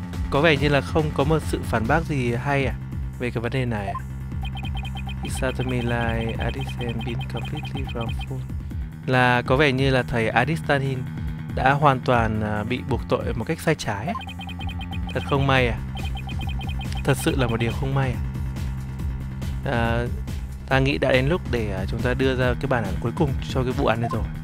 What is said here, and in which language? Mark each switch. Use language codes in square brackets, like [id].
[vi] Có vẻ như là không có một sự phản bác gì hay à về cái vấn đề này. [en] It sounds to me like Adit has been completely wrongful. [vi] Là có vẻ như là thầy Adit Tanhi đã hoàn toàn bị buộc tội một cách sai trái. Thật không may à? Thật sự là một điều không may à? Ta nghĩ đã đến lúc để chúng ta đưa ra cái bản án cuối cùng cho cái vụ án này rồi.